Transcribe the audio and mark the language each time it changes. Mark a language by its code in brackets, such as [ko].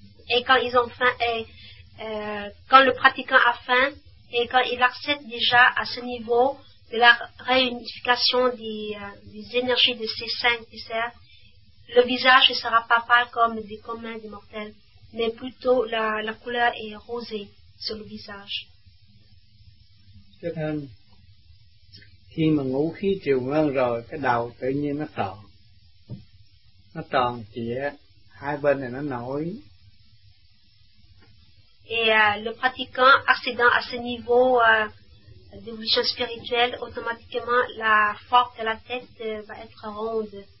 [fr] Et quand ils ont faim, et quand le pratiquant a faim, et quand il accepte déjà à ce niveau de la réunification des énergies de ces cinq viscères, le visage ne sera pas pâle comme des communs des mortels, mais plutôt la couleur est rosée sur le visage. [vi] Khi mà ngũ khí triều nguyên rồi, cái đầu tự nhiên nó tròn. Nó tròn trịa, hai bên này nó nổi. [fr] Et le pratiquant accédant à ce niveau d'évolution spirituelle, automatiquement la forme de la tête va être ronde.